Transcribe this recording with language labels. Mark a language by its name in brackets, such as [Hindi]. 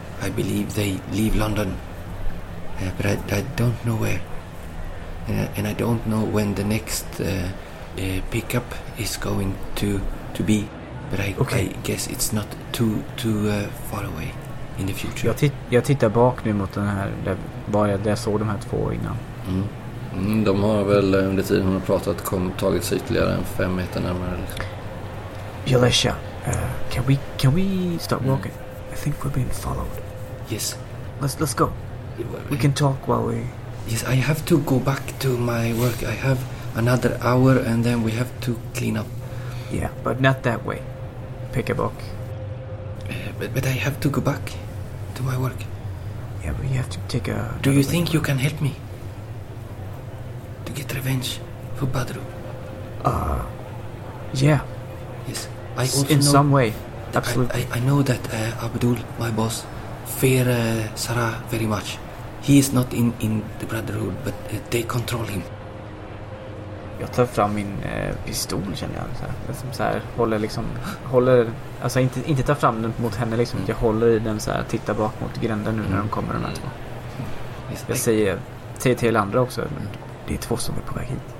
[English] I believe they leave London. But I don't know where. And I don't know when the next pickup is going to be. But I guess it's not too far away in the future. [Swedish] Jag tittar bak nu mot den här, där jag såg de här två innan. Mm. Mm, de har väl under tiden hon har pratat tagit sig ytterligare än 5 meter närmare. [English] Yalesha, can we stop walking? Mm. I think we're being followed. Yes. Let's go. We can talk while we... Yes, I have to go back to my work. I have another hour and then we have to clean up. Yeah, but not that way. Pick a book. But I have to go back to my work. Yeah, but you have to take a... Do you think you can help me? To get revenge for Badru. Yeah. Yes. Absolutely. I know that Abdul, my boss, fear Sarah very much. He is not in the Brotherhood, but they control him. [Swedish] Jag tar fram min pistol, känner jag. Håller, alltså inte ta fram den mot henne liksom. Jag håller i den så här, tittar bak mot gränden nu när de kommer de här två. Yes, jag säger till andra också, men det är två som är på väg hit.